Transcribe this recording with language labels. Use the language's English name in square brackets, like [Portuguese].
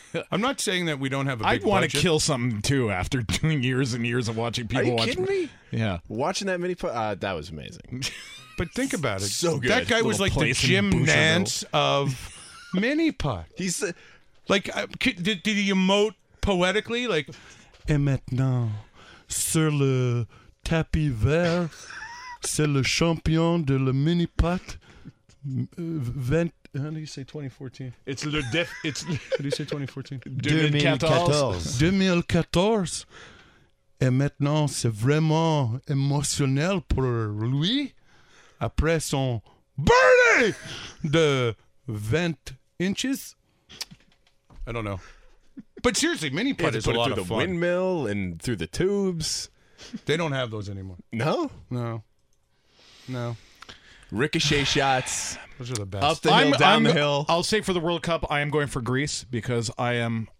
[English] I'm not saying that we don't have a big budget. I'd want to kill something, too, after doing years and years of watching people watch. Are you kidding me? Yeah. Watching that mini putt, that was amazing. But think about it. So good. That guy was like the Jim Nance of mini putt. He's like, did he emote poetically? [French] Like, et maintenant, sur le tapis vert, c'est le champion de la mini putt, 20. [English] How do you say 2014? It's le def. It's how do you say 2014? 2014. [French] Et maintenant, c'est vraiment émotionnel pour lui après son birdie de 20 inches. [English] I don't know, but seriously, mini putt is a lot of Through the windmill and through the tubes, they don't have those anymore. No. Ricochet shots. Those are the best. Up the hill, down the hill. I'll say for the World Cup, I am going for Greece because I am.